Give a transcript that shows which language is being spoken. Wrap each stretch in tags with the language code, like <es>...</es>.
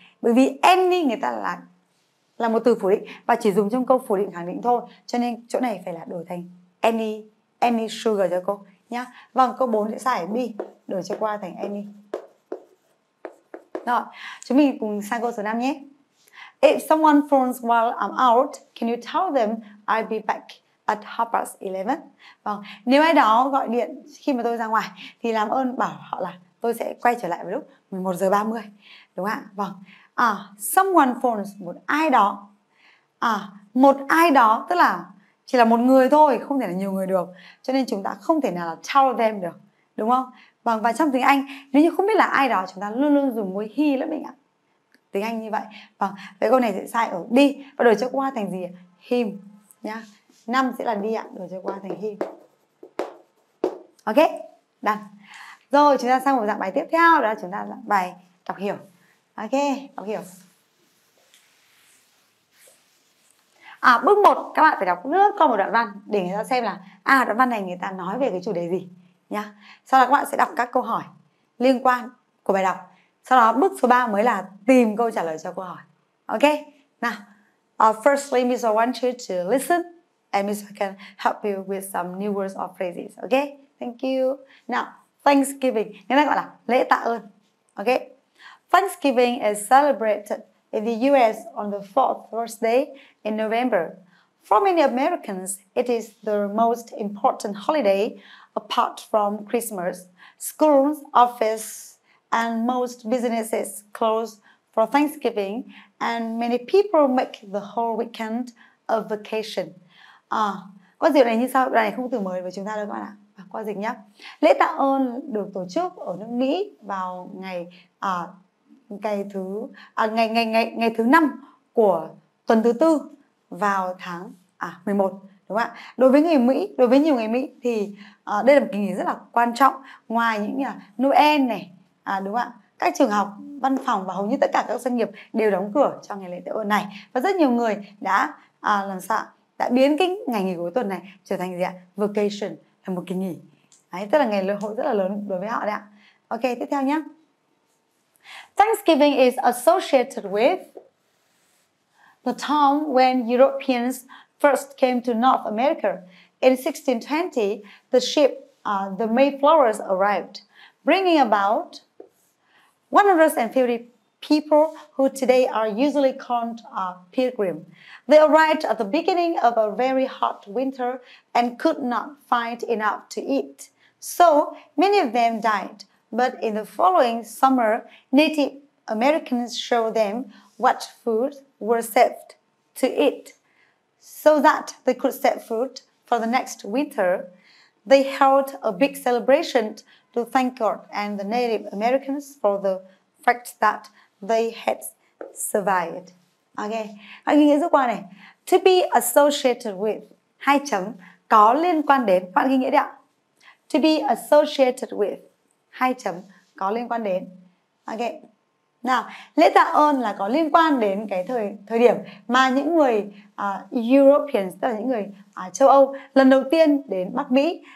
<vi>Bởi vì any người ta là một từ phủ định và chỉ dùng trong câu phủ định khẳng định thôi. Cho nên chỗ này phải là đổi thành</vi> <en>any sugar</en> <vi>cho cô nhá. Vâng, câu 4 sẽ xài B, đổi cho qua thành any. Rồi, chúng mình cùng sang câu số 5 nhé.</vi> <en>If someone phones while I'm out, can you tell them I'll be back at 11:30.</en> <vi>Vâng, nếu ai đó gọi điện khi mà tôi ra ngoài thì làm ơn bảo họ là tôi sẽ quay trở lại vào lúc 11:30. Đúng không ạ? Vâng.</vi> <en>Someone phones,</en> <vi>một ai đó. Một ai đó tức là chỉ là một người thôi, không thể là nhiều người được. Cho nên chúng ta không thể nào là</vi> <en>tell them</en> <vi>được. Đúng không? Vâng, và trong tiếng Anh, nếu như không biết là ai đó, chúng ta luôn luôn dùng với he lắm mình ạ. Tiếng Anh như vậy. Vâng, vậy câu này sẽ sai ở đi và đổi cho qua thành gì? Him nhá. 5 sẽ là đi ạ, đổi cho qua thành him. Ok, đăng. Rồi, chúng ta sang một dạng bài tiếp theo. Đó là chúng ta dạng bài đọc hiểu. Ok, đọc hiểu. Bước 1, các bạn phải đọc nước qua một đoạn văn để người ta xem là đoạn văn này người ta nói về cái chủ đề gì nhá. Sau đó các bạn sẽ đọc các câu hỏi liên quan của bài đọc. Sau đó bước số 3 mới là tìm câu trả lời cho câu hỏi. Ok, nào.</vi> <en>Firstly, Miss, I want you to listen and Miss can help you with some new words or phrases. Ok, thank you. Now, Thanksgiving,</en> <vi>người ta gọi là lễ tạ ơn. Ok,</vi> <en>Thanksgiving is celebrated in the US on the fourth Thursday in November. For many Americans, it is the most important holiday apart from Christmas. Schools, office, and most businesses close for Thanksgiving, and many people make the whole weekend a vacation. Quá dịp này như sau, đoạn này không từ mới với chúng ta đâu các bạn ạ. À, quá dịch nhá. Lễ tạ ơn được tổ chức ở nước Mỹ vào ngày thứ năm của tuần thứ tư vào tháng 11, đúng không ạ? Đối với người Mỹ, đối với nhiều người Mỹ thì đây là một kỳ nghỉ rất là quan trọng, ngoài những như là Noel này, đúng không ạ? Các trường học, văn phòng và hầu như tất cả các doanh nghiệp đều đóng cửa cho ngày lễ tạ ơn này. Và rất nhiều người đã làm sao đã biến cái ngày nghỉ cuối tuần này trở thành gì ạ? Vacation, là một kỳ nghỉ. Đấy, tức là ngày lễ hội rất là lớn đối với họ đấy ạ. Ok, tiếp theo nhé. Thanksgiving is associated with the time when Europeans first came to North America. In 1620, the ship, the Mayflowers arrived, bringing about 150 people who today are usually called pilgrims. They arrived at the beginning of a very hot winter and could not find enough to eat. So many of them died. But in the following summer, Native Americans showed them what food were saved to eat so that they could save food for the next winter. They held a big celebration to thank God and the Native Americans for the fact that they had survived.</en> <vi>Okay, hãy ghi nghĩa giúp qua này.</vi> <en>To be associated with,</en> <vi>hai chấm, có liên quan đến, bạn ghi nghĩa đi ạ.</vi> <en>To be associated with,</en> <vi>hai chấm, có liên quan đến. Ok, nào, lễ tạ ơn là có liên quan đến cái thời điểm mà những người Europeans, tức là những người châu Âu lần đầu tiên đến Bắc Mỹ.</vi>